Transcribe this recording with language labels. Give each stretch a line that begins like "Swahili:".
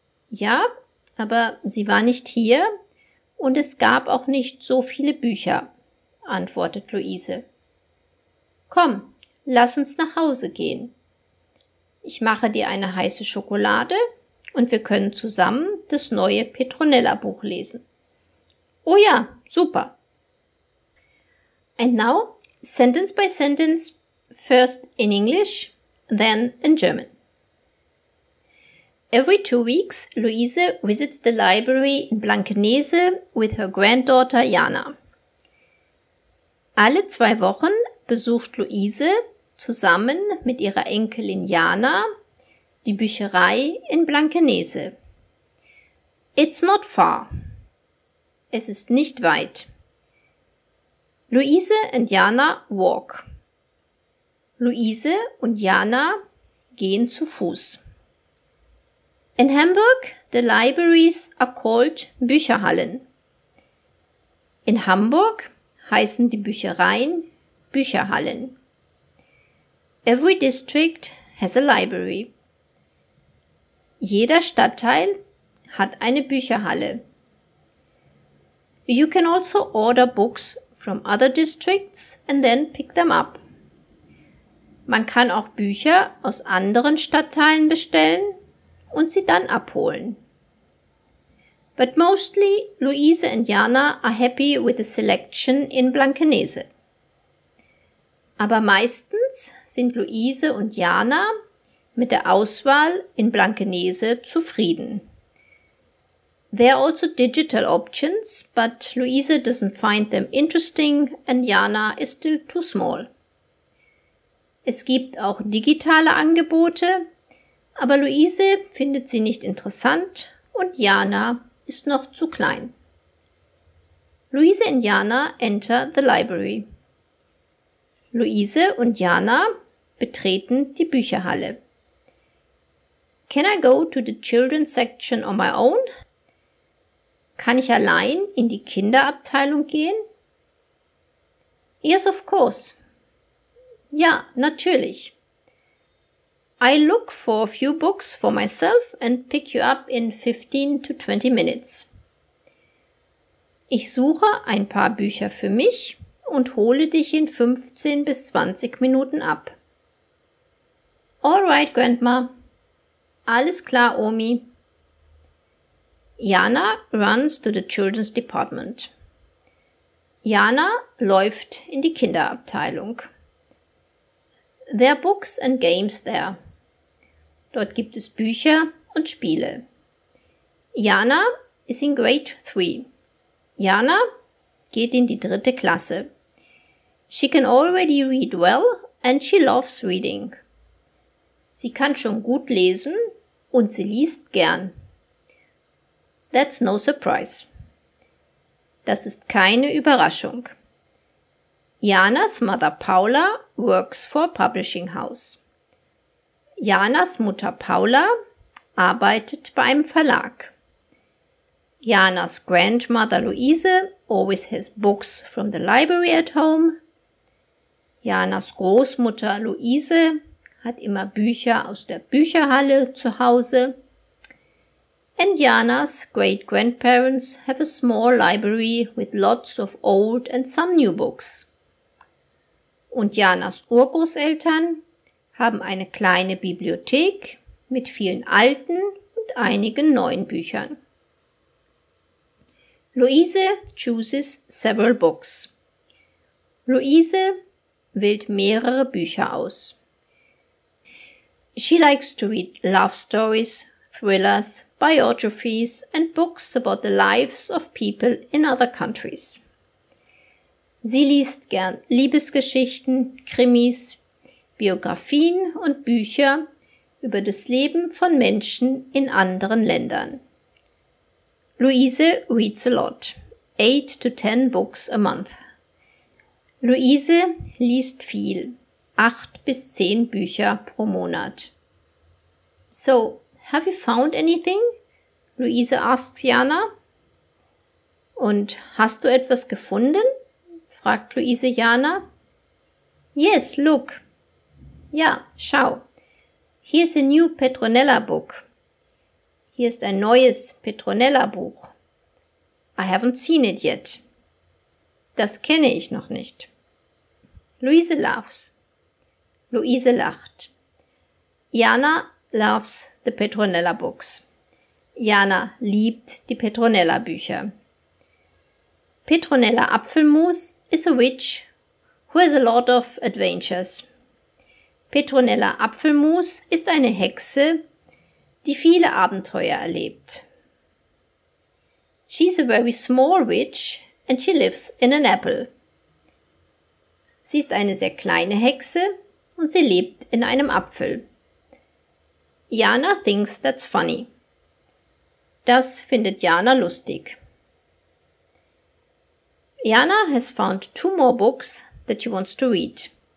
German: Ja, aber sie war nicht hier und es gab auch nicht so viele Bücher, antwortet Luise. Komm, lass uns nach Hause gehen. Ich mache dir eine heiße Schokolade und wir können zusammen das neue Petronella-Buch lesen. Oh ja, super.
English: And now, sentence by sentence, first in English, then in German. Every 2 weeks, Luise visits the library in Blankenese with her granddaughter Jana.
German: Alle 2 Wochen besucht Luise zusammen mit ihrer Enkelin Jana die Bücherei in Blankenese.
English: It's not far.
German: Es ist nicht weit. Luise und Jana walk. Luise und Jana gehen zu Fuß.
English: In Hamburg, the libraries are called Bücherhallen.
German: In Hamburg heißen die Büchereien Bücherhallen.
English: Every district has a library.
German: Jeder Stadtteil hat eine Bücherhalle.
English: You can also order books from other districts and then pick them up.
German: Man kann auch Bücher aus anderen Stadtteilen bestellen und sie dann abholen.
English: But mostly, Luise and Jana are happy with the selection in Blankenese.
German: Aber meistens sind Luise und Jana mit der Auswahl in Blankenese zufrieden.
English: There are also digital options, but Luise doesn't find them interesting and Jana is still too small.
German: Es gibt auch digitale Angebote, aber Luise findet sie nicht interessant und Jana ist noch zu klein. Luise und Jana
English: enter the library.
German: Luise und Jana betreten die Bücherhalle.
English: Can I go to the children's section on my own?
German: Kann ich allein in die Kinderabteilung gehen?
English: Yes, of course.
German: Ja, natürlich.
English: I look for a few books for myself and pick you up in 15 to 20 minutes.
German: Ich suche ein paar Bücher für mich und hole dich in 15 bis 20 Minuten ab.
English: All right, Grandma.
German: Alles klar, Omi.
English: Jana runs to the children's department.
German: Jana läuft in die Kinderabteilung.
English: There are books and games there.
German: Dort gibt es Bücher und Spiele.
English: Jana is in grade 3.
German: Jana geht in die 3. Klasse.
English: She can already read well and she loves reading.
German: Sie kann schon gut lesen und sie liest gern.
English: That's no surprise.
German: Das ist keine Überraschung.
English: Janas Mutter Paula works for a publishing house.
German: Janas Mutter Paula arbeitet bei einem Verlag.
English: Janas Grandmother Luise always has books from the library at home.
German: Janas Großmutter Luise hat immer Bücher aus der Bücherhalle zu Hause.
English: And Janas great-grandparents have a small library with lots of old and some new books.
German: Und Janas Urgroßeltern haben eine kleine Bibliothek mit vielen alten und einigen neuen Büchern.
English: Luise chooses several books.
German: Luise wählt mehrere Bücher aus.
English: She likes to read love stories, thrillers, biographies and books about the lives of people in other countries.
German: Sie liest gern Liebesgeschichten, Krimis, Biografien und Bücher über das Leben von Menschen in anderen Ländern.
English: Luise reads a lot, 8 to 10 books a month.
German: Luise liest viel, 8 bis 10 Bücher pro Monat.
English: So, have you found anything? Luise asks Jana.
German: Und hast du etwas gefunden? Fragt Luise Jana.
English: Yes, look.
German: Ja, schau.
English: Here is a new Petronella book.
German: Hier ist ein neues Petronella Buch.
English: I haven't seen it yet.
German: Das kenne ich noch nicht.
English: Luise laughs.
German: Luise lacht.
English: Jana loves the Petronella books.
German: Jana liebt die Petronella Bücher.
English: Petronella Apfelmus is a witch who has a lot of adventures.
German: Petronella Apfelmus ist eine Hexe, die viele Abenteuer erlebt.
English: She's a very small witch and she lives in an apple.
German: Sie ist eine sehr kleine Hexe und sie lebt in einem Apfel.
English: Jana thinks that's funny.
German: Das findet Jana lustig.
English: Jana has found two more books that she wants to read.